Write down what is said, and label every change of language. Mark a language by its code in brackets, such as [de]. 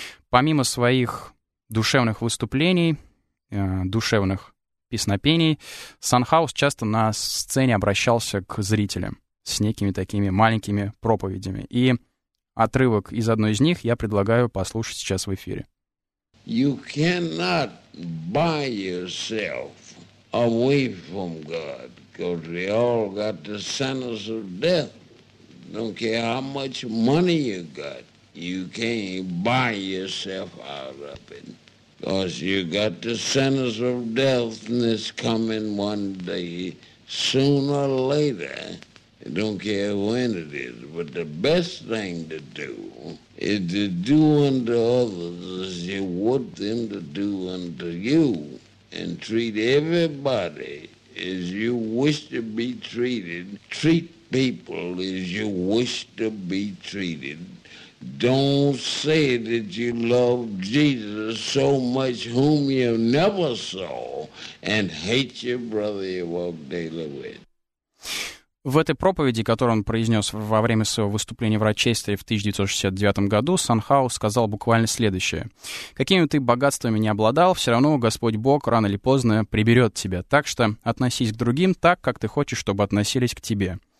[ru] Помимо своих душевных выступлений, душевных песнопений, Son of House часто на сцене обращался к зрителям с некими такими маленькими проповедями. И отрывок из одной из них я предлагаю послушать сейчас в эфире. [en] You cannot buy yourself away from God, because we all got the sentence of death. Don't care how much money you got, you can't buy yourself out of it, because you got the sentence of death, and it's coming one day, sooner or later. Don't care when it is, but the best thing to do is to do unto others as you want them to do unto you, and treat everybody as you wish to be treated. Treat people as you wish to be treated. Don't say that you love Jesus so much whom you never saw, and hate your brother you walk daily with. [ru] В этой проповеди, которую он произнес во время своего выступления в Рочестере в 1969 году, Son of House сказал буквально следующее. «Какими ты богатствами не обладал, все равно Господь Бог рано или поздно приберет тебя. Так что относись к другим так, как ты хочешь, чтобы относились к тебе.